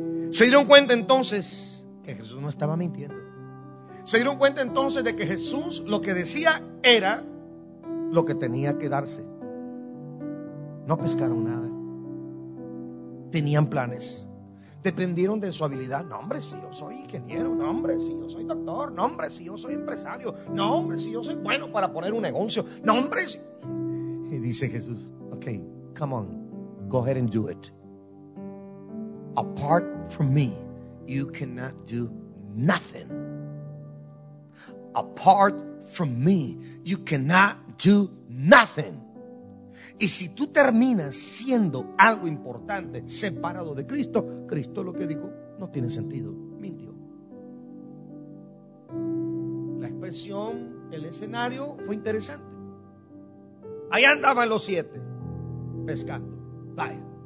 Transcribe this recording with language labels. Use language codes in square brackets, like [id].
[es] Se dieron cuenta entonces que Jesús no estaba mintiendo. Se dieron cuenta entonces de que Jesús lo que decía era lo que tenía que darse. No pescaron nada. Tenían planes. Dependieron de su habilidad. No, hombre, si yo soy ingeniero. No, hombre, si yo soy doctor. No, hombre, si yo soy empresario. No, hombre, si yo soy bueno para poner un negocio. No, hombre, si... Y dice Jesús, [en] ok, come on, go ahead and do it. Apart from me, you cannot do nothing. Apart from me, you cannot do nothing. [es] Y si tú terminas siendo algo importante, separado de Cristo, Cristo lo que dijo no tiene sentido, mintió. versión, el escenario fue interesante. Ahí andaban los siete pescando. Vaya.